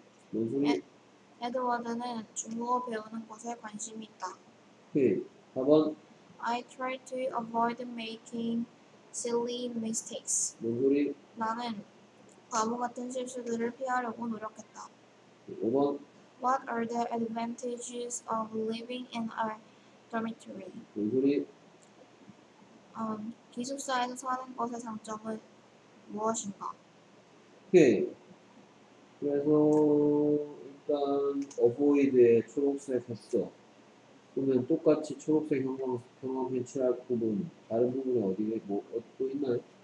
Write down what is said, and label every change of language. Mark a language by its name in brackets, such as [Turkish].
[Korean] 뭔 소리? 에드워드는 중국어 배우는 것에 관심이 있다. 4번. [English] I try to avoid making silly mistakes. [Korean] 뭔 소리? 나는 바보 같은 실수들을 피하려고 노력했다. 5번. [English] What are the advantages of living in a dormitory? [Korean] 뭔 소리? 기숙사에서 사는 것의 장점은 무엇인가? 오케이. 그래서 일단 어보이드의 초록색 했어. 그러면 똑같이 초록색 형광펜 칠할 부분 다른 부분은 어디에 뭐 또 있나요?